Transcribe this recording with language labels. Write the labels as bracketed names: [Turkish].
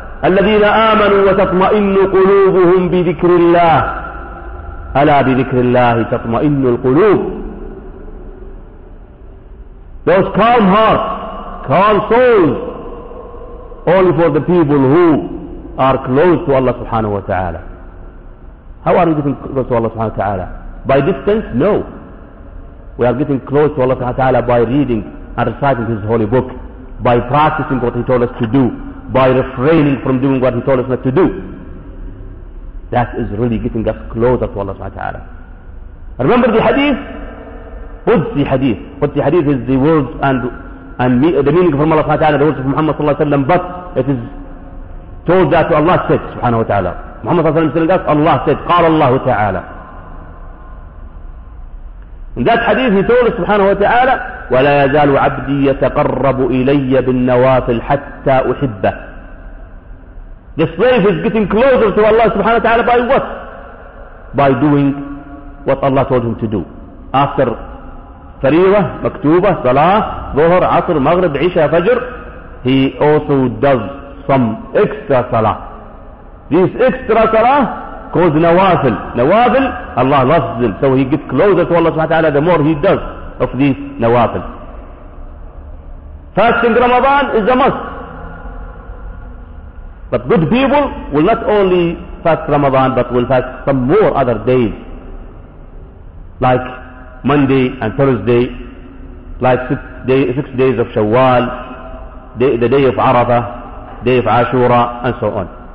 [Arabic] الذين آمنوا وتطمئن قلوبهم بذكر الله ألا بذكر الله تطمئن القلوب. [English] Those calm hearts, calm souls, only for the people who are close to Allah subhanahu wa ta'ala. How are we getting close to Allah subhanahu wa ta'ala? By distance? No. We are getting close to Allah subhanahu wa ta'ala by reading and reciting His holy book, by practicing what He told us to do, by refraining from doing what He told us not to do. That is really getting us closer to Allah subhanahu wa ta'ala. Remember the hadith? Qudsi hadith. Qudsi hadith is the words and the meaning from Allah subhanahu wa ta'ala, the words of Muhammad sallallahu alayhi wa sallam, but it is told that to Allah said subhanahu wa ta'ala. Muhammad sallallahu alayhi wa sallam said, Allah said, [Arabic] قال الله تعالى. [English] In that hadith He told us subhanahu wa ta'ala, [Arabic] ولا يزال عبدي يتقرب إلي بالنوافل حتى أحبه. [English] The slave is getting closer to Allah subhanahu wa ta'ala by what? By doing what Allah told him to do. After [Arabic] فريضة مكتوبة صلاة ظهر عصر مغرب عشاء فجر, [English] he also does some extra salah. This extra salah called نوافل. نوافل, Allah loves him, so he gets closer to Allah subhanahu wa ta'ala the more he does of these nawafil. Fasting Ramadan is a must. But good people will not only fast Ramadan, but will fast some more other days, like Monday and Thursday, like six days of Shawwal, the day of Arafah, day of Ashura, and so on.